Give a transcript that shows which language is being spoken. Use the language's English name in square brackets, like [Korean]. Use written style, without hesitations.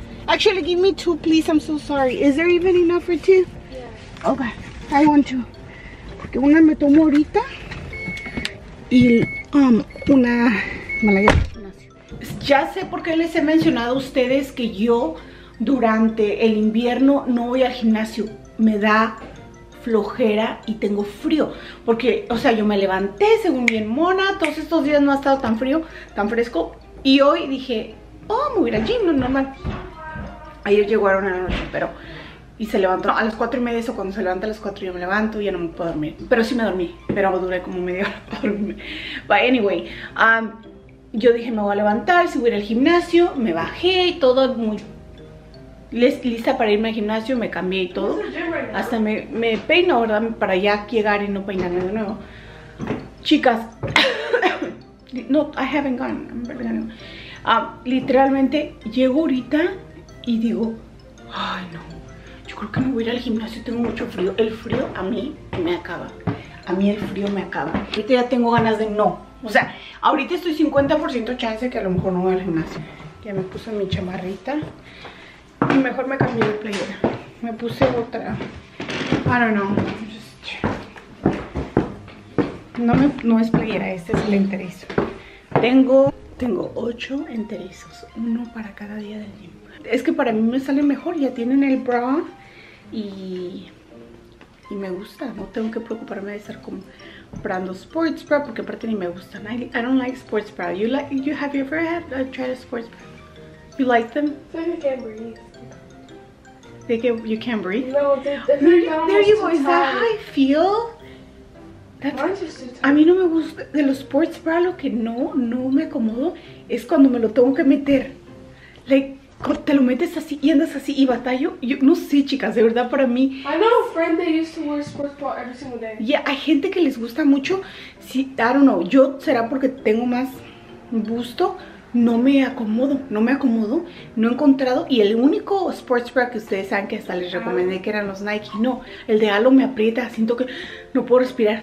[English] Actually, give me two, please. I'm so sorry. Is there even enough for two? Yeah. Okay. I want two. [Spanish] Porque una me tomo ahorita. Y una... Malaya. Ya sé por qué les he mencionado a ustedes que yo durante el invierno no voy al gimnasio. Me da flojera y tengo frío. Porque, o sea, yo me levanté según bien mona. Todos estos días no ha estado tan frío, tan fresco. Y hoy dije, oh, me voy a ir al gym. No, normal. Ayer llegaron a la noche, pero... Y se levantó a las 4:30, o cuando se levanta a las 4 yo me levanto y ya no me puedo dormir. Pero sí me dormí, pero duré como media hora para dormirme. [English] But anyway, [Spanish] yo dije, me voy a levantar, si voy a ir al gimnasio, me bajé y todo, muy lista para irme al gimnasio, me cambié y todo. Hasta me peino, ¿verdad? Para ya llegar y no peinarme de nuevo. Chicas, no, [English] I haven't gone, I'm barely gone. [Spanish] Literalmente, llego ahorita... Y digo, ay no, yo creo que me voy a ir al gimnasio, tengo mucho frío. El frío a mí me acaba. A mí el frío me acaba. Ahorita ya tengo ganas de no. O sea, ahorita estoy 50% chance que a lo mejor no voy al gimnasio. Ya me puse mi chamarrita. Y mejor me cambié de playera. Me puse otra. [English] I don't know. Just... [Spanish] No es playera, este es el enterizo. Tengo 8 enterizos. Uno para cada día del gym. Es que para mí me sale mejor, ya tienen el bra y me gusta. No tengo que preocuparme de estar comprando sports bra porque aparte ni me gustan. [English] I don't like sports bra. You like, you have you ever had tried a sports bra? You like them? They can't breathe. They get, you can't breathe? No, there you go. Is that how I feel? That's, [Spanish] a mí no me gusta de los sports bra. Lo que no me acomodo es cuando me lo tengo que meter. Like, te lo metes así y andas así y batallo. Yo no sé, chicas, de verdad para mí. I know a friend that used to wear a sports bra every single day. Yeah, hay gente que les gusta mucho. Sí, [English] I don't know. [Spanish] Yo será porque tengo más busto. No me acomodo, no me acomodo. No he encontrado. Y el único sports bra que ustedes saben que hasta les recomendé que eran los Nike. No, el de Alo me aprieta. Siento que no puedo respirar.